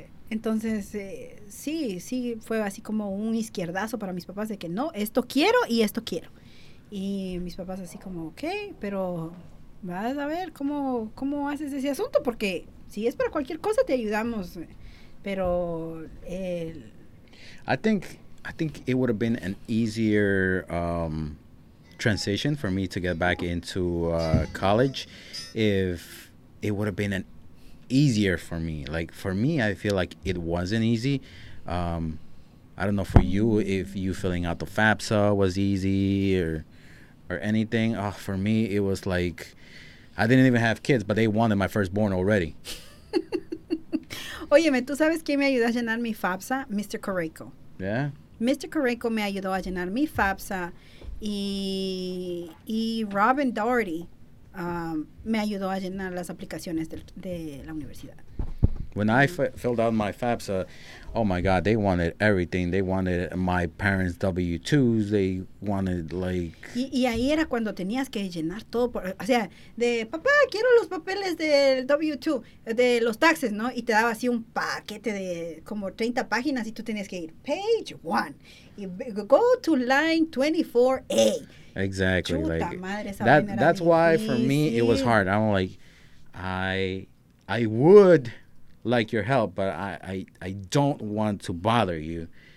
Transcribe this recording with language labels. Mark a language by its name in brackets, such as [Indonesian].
[Spanish] Entonces, sí, fue así como un izquierdazo para mis papás de que no, esto quiero y esto quiero. Y mis papás así como, okay, pero vas a ver cómo haces ese asunto, porque si es para cualquier cosa te ayudamos, pero... [English] I think it would have been an easier transition for me to get back into college if it would have been an easier for me. Like, for me, I feel like it wasn't easy. I don't know for you if you filling out the FAFSA was easy or anything. Oh, for me, it was like I didn't even have kids, but they wanted my firstborn already. [Spanish] Óyeme, ¿tú sabes quién me ayudó a llenar mi FAFSA? [English] Mr. Correco. Yeah. Mr. [Spanish] Correco me ayudó a llenar mi FAFSA y Robin Doherty. me ayudó a llenar las aplicaciones de la universidad. [English] When I filled out my FAFSA, oh my God, they wanted everything. They wanted my parents' W-2s. They wanted, like... [Spanish] Y ahí era cuando tenías que llenar todo. Por, o sea, de, papá, quiero los papeles del W-2, de los taxes, ¿no? Y te daba así un paquete de como 30 páginas y tú tenías que ir [English] page one. Y go to line 24A. Exactly. [Spanish] Chuta, [English] like, [Spanish] madre, esa [English] that, that's why for me it was hard. I'm like, I would... like your help, but I don't want to bother you.